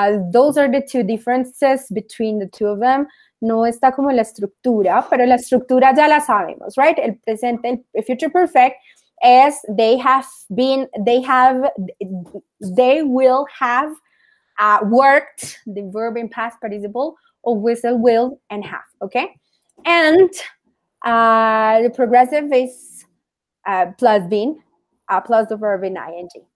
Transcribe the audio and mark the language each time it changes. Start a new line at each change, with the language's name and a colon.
English: Those are the two differences between the two of them.
Spanish: No está como la estructura, pero la estructura ya la sabemos, right? El presente, el
English: future perfect, es they will have worked, the verb in past participle, or whistle, will, and have, okay? And the progressive is, plus the verb in ing.